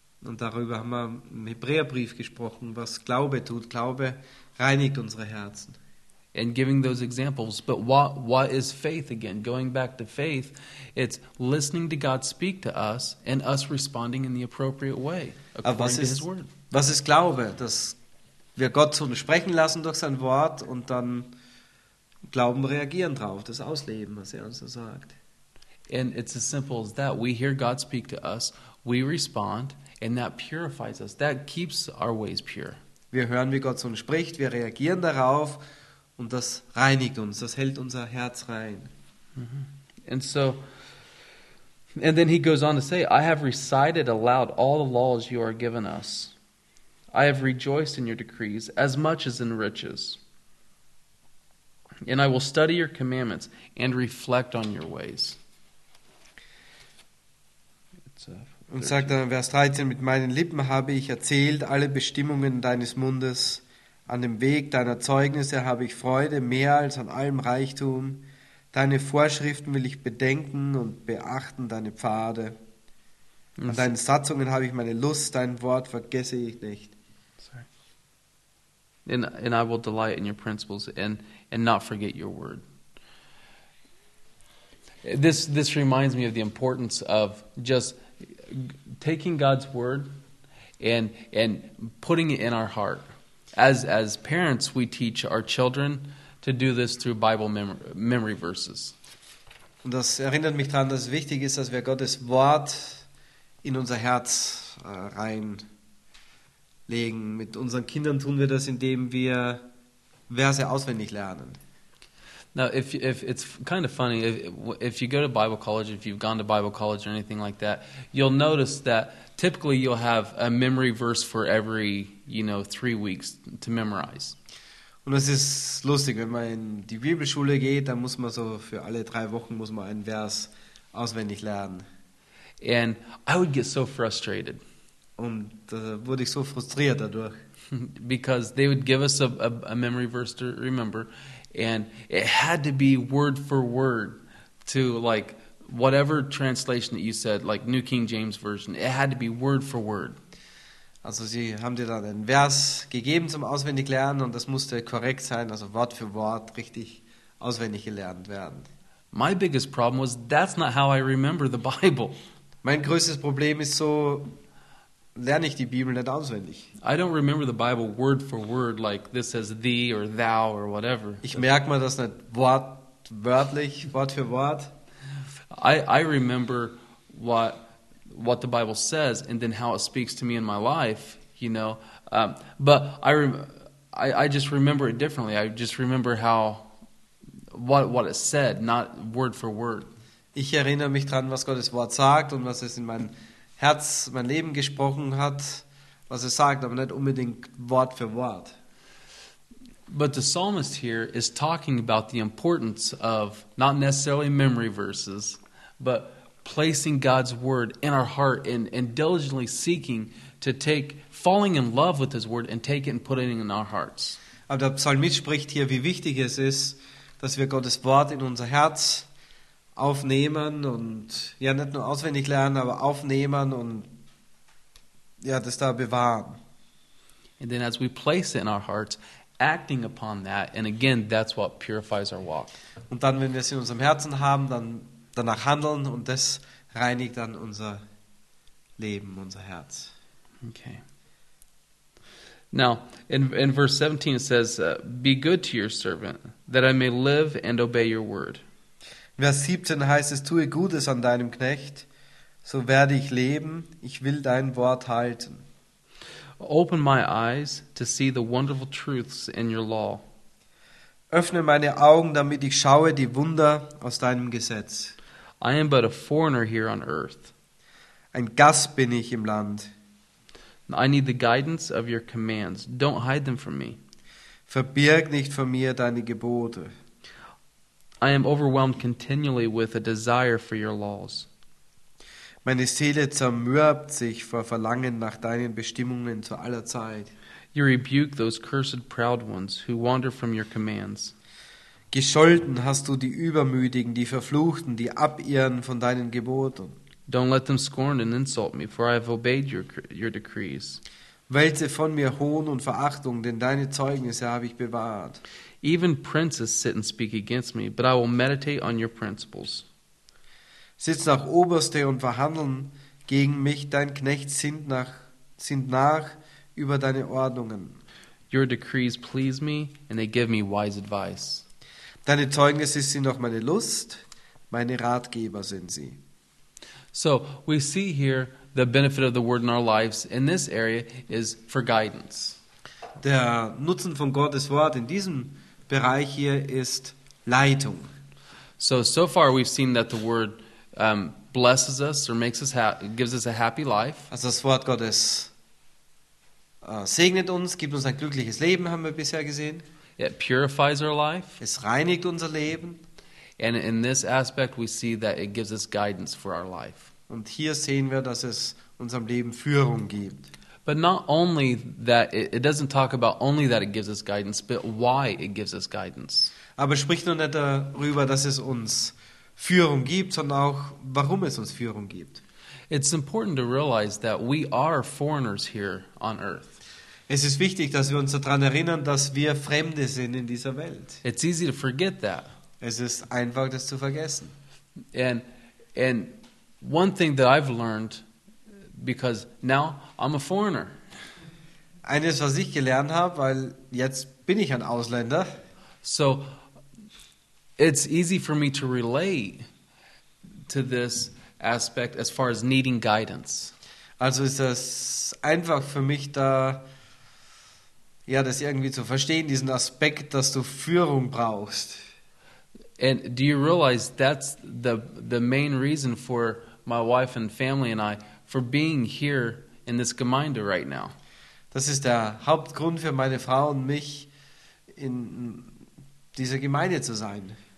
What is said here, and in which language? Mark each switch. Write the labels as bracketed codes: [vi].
[de] Und darüber haben wir im Hebräerbrief gesprochen, was Glaube tut. Glaube reinigt unsere Herzen. [en] and giving those examples. But what is faith again? Going back to faith, it's listening to God speak to us and us responding in the appropriate way according to his word. [de] Was ist Glaube? Dass wir Gott so sprechen lassen durch sein Wort und dann Glauben reagieren drauf, das Ausleben, was er uns so sagt. [en] And it's as simple as that. We hear God speak to us, we respond, and that purifies us. That keeps our ways pure. [de] Wir hören, wie Gott zu uns spricht, wir reagieren darauf und das reinigt uns, das hält unser Herz rein. Mm-hmm. [en] And so, and then he goes on to say, I have recited aloud all the laws you are given us. I have rejoiced in your decrees as much as in riches. And I will study your commandments and reflect on your ways. [de] Und sagt dann Vers 13, mit meinen Lippen habe ich erzählt alle Bestimmungen deines Mundes, an dem Weg deiner Zeugnisse habe ich Freude mehr als an allem Reichtum, deine Vorschriften will ich bedenken und beachten deine Pfade, an deinen Satzungen habe ich meine Lust, dein Wort vergesse ich nicht. [en] And I will delight in your principles and not forget your word. This reminds me of the importance of just taking God's word and putting it in our heart. As parents, we teach our children to do this through Bible memory verses. [de] Und das erinnert mich daran, dass es wichtig ist, dass wir Gottes Wort in unser Herz reinlegen. Mit unseren Kindern tun wir das, indem wir Verse auswendig lernen. [en] Now, if it's kind of funny, if you go to Bible college, if you've gone to Bible college or anything like that, you'll notice that typically you'll have a memory verse for every, you know, 3 weeks to memorize. [de] Und es ist lustig, wenn man in die Bibelschule geht, dann muss man so für alle 3 Wochen muss man einen Vers auswendig lernen. [en] And I would get so frustrated. [de] Und da wurde ich so frustriert dadurch. [en] Because they would give us a memory verse to remember. And it had to be word for word to like whatever translation that you said, like New King James Version. It had to be word for word. [de] Also sie haben dir dann einen Vers gegeben zum auswendig lernen und das musste korrekt sein, also Wort für Wort richtig auswendig gelernt werden. [en] My biggest problem was that's not how I remember the Bible. [de] Mein größtes Problem ist so, lerne ich die Bibel nicht auswendig. [en] I don't remember the Bible word for word like this says thee or thou or whatever. [de] Ich merke mir das nicht wortwörtlich, Wort für Wort. [en] I remember what the Bible says and then how it speaks to me in my life, you know. But I just remember it differently. I just remember how what it said, not word for word. [de] Ich erinnere mich dran, was Gottes Wort sagt und was es in meinem Herz mein Leben gesprochen hat, was es sagt, aber nicht unbedingt Wort für Wort. [en] But the psalmist here is talking about the importance of not necessarily memory verses, but placing God's word in our heart and diligently seeking to take, falling in love with his word and take it and put it in our hearts. [de] Aber der Psalmist spricht hier, wie wichtig es ist, dass wir Gottes Wort in unser Herz aufnehmen und ja nicht nur auswendig lernen, aber aufnehmen und ja das da bewahren. [en] And then as we place it in our hearts, acting upon that, and again, that's what purifies our walk. [de] Und dann, wenn wir es in unserem Herzen haben, dann danach handeln und das reinigt dann unser Leben, unser Herz. [en] Okay. Now, in verse 17 it says, "Be good to your servant, that I may live and obey your word." [de] Vers 17 heißt es, tue Gutes an deinem Knecht, so werde ich leben, ich will dein Wort halten. [en] Open my eyes to see the wonderful truths in your law. [de] Öffne meine Augen, damit ich schaue die Wunder aus deinem Gesetz. [en] I am but a foreigner here on earth. [de] Ein Gast bin ich im Land. [en] I need the guidance of your commands. Don't hide them from me. [de] Verbirg nicht von mir deine Gebote. [en] I am overwhelmed continually with a desire for your laws. [de] Meine Seele zermürbt sich vor Verlangen nach deinen Bestimmungen zu aller Zeit. [en] You rebuke those cursed proud ones who wander from your commands. [de] Gescholten hast du die Übermütigen, die Verfluchten, die abirren von deinen Geboten. [en] Don't let them scorn and insult me, for I have obeyed your decrees. [de] Wälze von mir Hohn und Verachtung, denn deine Zeugnisse habe ich bewahrt. [en] Even princes sit and speak against me, but I will meditate on your principles. [de] Sitzen auch Oberste und verhandeln gegen mich, dein Knecht sind nach über deine Ordnungen. [en] Your decrees please me, and they give me wise advice. [de] Deine Zeugnisse sind auch meine Lust, meine Ratgeber sind sie. [en] So, we see here the benefit of the word in our lives in this area is for guidance. [de] Der Nutzen von Gottes Wort in diesem Bereich hier ist Leitung. [en] So far we've seen that the word blesses us or makes us gives us a happy life. [de] Also das Wort Gottes segnet uns, gibt uns ein glückliches Leben, haben wir bisher gesehen. [en] It purifies our life. [de] Es reinigt unser Leben. [en] And in this aspect we see that it gives us guidance for our life. [de] Und hier sehen wir, dass es unserem Leben Führung gibt. [en] But not only that, it doesn't talk about only that it gives us guidance, but why it gives us guidance. [de] Aber spricht nur nicht darüber, dass es uns Führung gibt, sondern auch, warum es uns Führung gibt. [en] It's important to realize that we are foreigners here on earth. [de] Es ist wichtig, dass wir uns daran erinnern, dass wir Fremde sind in dieser Welt. [en] It's easy to forget that. [de] Es ist einfach, das zu vergessen. [en] And one thing that I've learned, because now I'm a foreigner. [de] Eines, was ich gelernt habe, weil jetzt bin ich ein Ausländer. [en] So, it's easy for me to relate to this aspect as far as needing guidance. [de] Also ist es einfach für mich da, ja, das irgendwie zu verstehen, diesen Aspekt, dass du Führung brauchst. [en] And do you realize that's the main reason for my wife and family and I for being here in this Gemeinde right now? [de] Das ist der Hauptgrund für meine Frau und mich, in dieser Gemeinde zu sein.